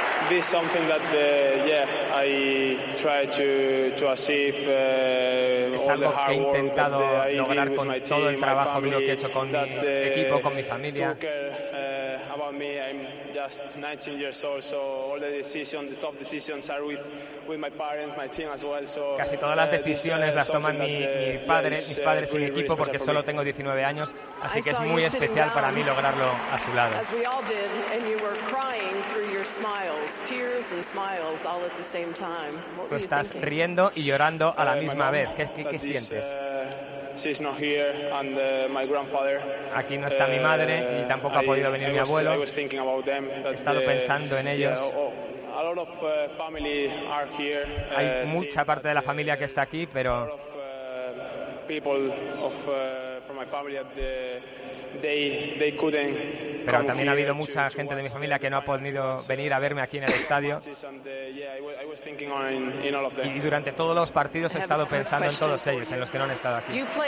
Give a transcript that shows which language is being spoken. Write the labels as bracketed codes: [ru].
[en] This is something that I try to achieve all the hard work that I did with my team, my family, [es] que he hecho con [en] that [es] mi equipo, con mi familia. [en] About me, I'm just 19 years old, so all the decisions, the top decisions, are with my parents, my team as well. So [es] casi todas las decisiones las toman mi padre, mis padres y mi equipo, porque solo tengo 19 años, así que es muy especial para mí lograrlo a su lado. [en] As we all did, and you were crying through your smiles, tears and smiles, all at the same time. [es] Tú estás riendo y llorando a la misma vez. ¿Qué sientes? [en] She's not here, and my grandfather. [es] Aquí no está mi madre y tampoco ha podido venir mi abuelo. [en] I was thinking about them, [es] he estado pensando en ellos. [en] A lot of family are here. [es] Hay mucha parte de la familia que está aquí, pero [en] people of from my family that they couldn't. [es] Pero también ha habido mucha gente de mi familia que no ha podido venir a verme aquí en el estadio. Y durante todos los partidos he estado pensando en todos ellos, en los que no han estado aquí.